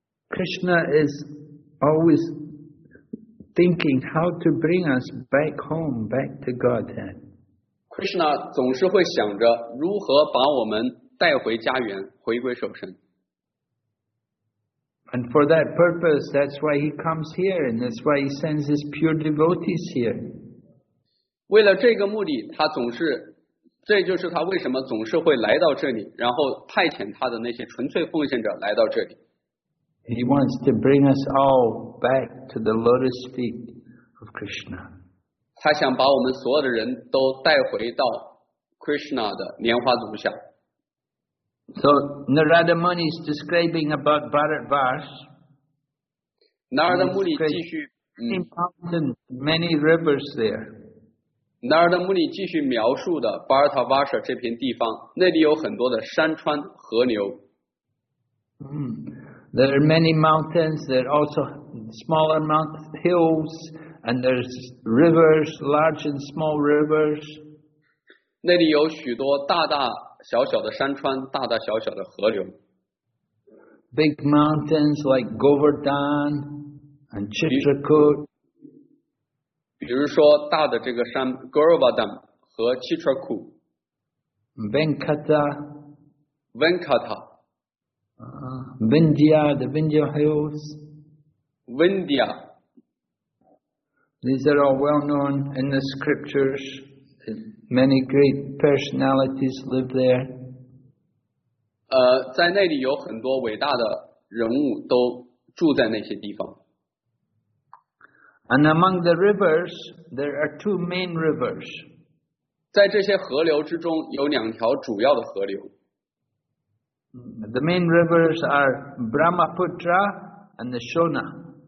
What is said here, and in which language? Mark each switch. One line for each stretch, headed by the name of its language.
English: Krishna is always thinking how to bring us back home, back to Godhead.
Chinese: Krishna 总是会想着如何把我们带回家园，回归守身。
English: And for that purpose, that's why he comes here, and that's why he sends his pure devotees here.
Chinese: 为了这个目的，他总是，这就是他为什么总是会来到这里，然后派遣他的那些纯粹奉献者来到这里。
English: He wants to bring us all back to the lotus feet of Krishna.
Chinese: 他想把我们所有的人都带回到 Krishna 的莲花足下。
English: So Narada Muni is describing about Bharat Vash.
Chinese: Narada Muni 继续
English: many mountains, many rivers there.
Chinese: Narada Muni 继续描述的 Bharat Vash 这片地方，那里有很多的山川河流。
English: There are many mountains. There are also smaller mountain hills, and there's rivers, large and small rivers.
Chinese: 那里有许多大大。小小的山川，大大小小的河流。
English: Big mountains like Govardhan and Chitrakoot.
Chinese: 比如说大的这个山 Govardhan 和 Chitrakoot.
English: Venkata.
Chinese: Venkata.
English: Vindhya, the Vindhya Hills.
Chinese: Vindhya.
English: These are all well known in the scriptures. Many great personalities live there.
Chinese: 在那里有很多伟大的人物都住在那些地方。
English: And among the rivers, there are two main rivers.
Chinese: 在这些河流之中有两条主要的河流。
English: The main rivers are Brahmaputra and the Shona.